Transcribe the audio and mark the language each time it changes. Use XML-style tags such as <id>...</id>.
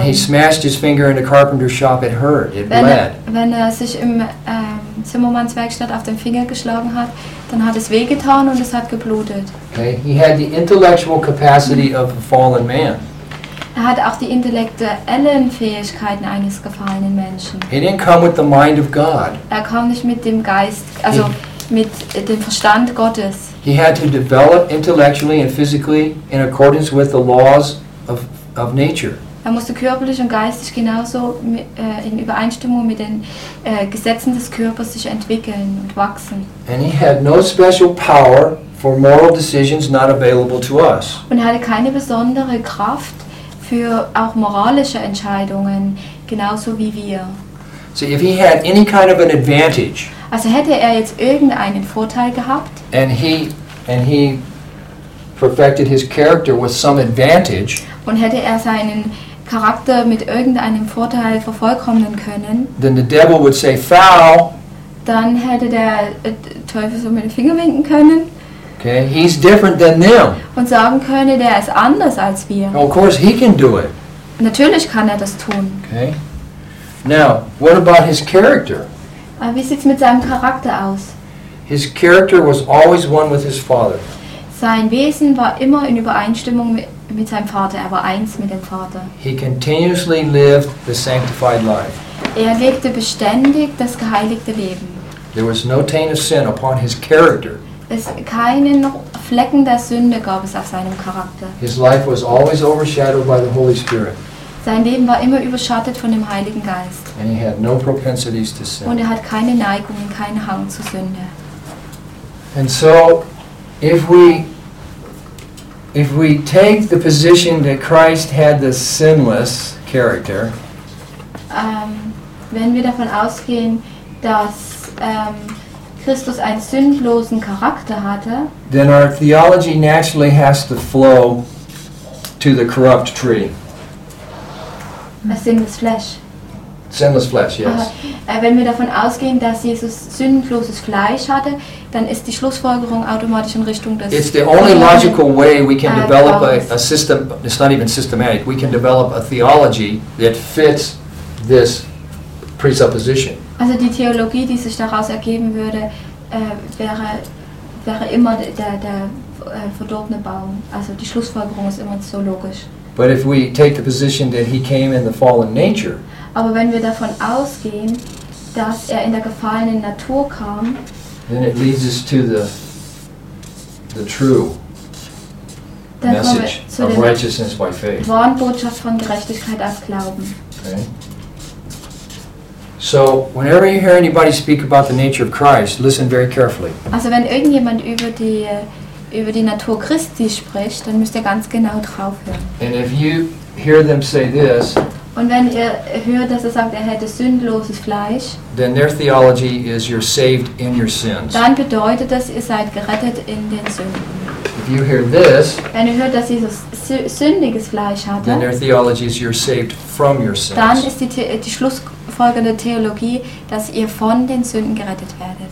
<en>When he smashed his finger in the carpenter shop, it hurt. It</en> <de>wenn</de> <en>bled.</en> <de>Wenn er sich im Zimmermannswerkstatt auf den Finger geschlagen hat, dann hat es wehgetan und es hat geblutet.</de> <en>Okay. He had the intellectual capacity of a fallen man.</en> <de>Er hat auch die intellektuellen Fähigkeiten eines gefallenen Menschen.</de> <en>He didn't come with the mind of God.</en> <de>Er kam nicht mit dem Geist, also mit dem Verstand Gottes.</de> <en>He had to develop intellectually and physically in accordance with the laws of nature.</en> <de>Er musste körperlich und geistig genauso in Übereinstimmung mit den Gesetzen des Körpers sich entwickeln und wachsen.</de> <en>And he had no special power for moral decisions not available to us.</en> <de>Und er hatte keine besondere Kraft für auch moralische Entscheidungen, genauso wie wir.</de> <en>So if he had any kind of an advantage,</en> <de>also hätte er jetzt irgendeinen Vorteil gehabt,</de> <en>and he perfected his character with some advantage,</en> <de>und hätte er seinen Charakter mit irgendeinem Vorteil vervollkommnen können,</de> <en>then the devil would say foul,</en> <de>dann hätte der Teufel so mit dem Finger winken können.</de> <en>Okay, he's different than them.</en> <de>Und sagen könne, der ist anders als wir.</de> <en>Of course he can do it.</en> <de>Natürlich kann er das tun.</de> <en>Okay. Now, what about his character?</en> <de>Wie sieht's mit seinem Charakter aus?</de> <en>His character was always one with his father.</en> <de>Sein Wesen war immer in Übereinstimmung mit seinem Vater. Er war eins mit dem Vater.</de> <en>He continuously lived the sanctified life.</en> <de>Er lebte beständig das geheiligte Leben.</de> <en>There was no taint of sin upon his character.</en> <de>Es keinen Flecken der Sünde gab es auf seinem Charakter.</de> <en>His life was always overshadowed by the Holy Spirit.</en> <de>Sein Leben war immer überschattet von dem Heiligen Geist.</de> <en>And he had no propensities to sin.</en> <de>Und er hat keine Neigungen, keinen Hang zur Sünde.</de> <en>And so if we take the position that Christ had the sinless character,</en> <de>wenn wir davon ausgehen, dass Christus einen sündlosen Charakter hatte,</de> <en>then our theology naturally has to flow to the corrupt tree. A sinless flesh. Sinless flesh, yes.</en> <de>Wenn wir davon ausgehen, dass Jesus sündloses Fleisch hatte, dann ist die Schlussfolgerung automatisch in Richtung des.</de> <en>It's the only logical way we can develop a system. It's not even systematic. We can develop a theology that fits this presupposition.</en> <de>Also die Theologie, die sich daraus ergeben würde, wäre immer der verdorbene Baum. Also die Schlussfolgerung ist immer so logisch.</de> <en>But if we take the position that he came in the fallen nature,</en> <de>aber wenn wir davon ausgehen, dass er in der gefallenen Natur kam,</de> <en>then it leads us to the true message of righteousness by faith.</en> <de>Die wahre Botschaft von Gerechtigkeit aus Glauben.</de> <en>Okay. So, whenever you hear anybody speak about the nature of Christ, listen very carefully.</en> <de>Also, wenn irgendjemand über die Natur Christi spricht, dann müsst ihr ganz genau drauf hören.</de> <en>And if you hear them say this,</en> <de>und wenn ihr hört, dass er sagt, er hätte sündloses Fleisch,</de> <en>then their theology is you're saved in your sins.</en> <de>Dann bedeutet das, ihr seid gerettet in den Sünden.</de> <en>If you hear this,</en> <de>wenn ihr hört, dass Jesus sündiges Fleisch hatte,</de> <en>then their theology is you're saved from your sins.</en> <de>Dann ist die Schlussfolgerung der Theologie, dass ihr von den Sünden gerettet werdet.</de>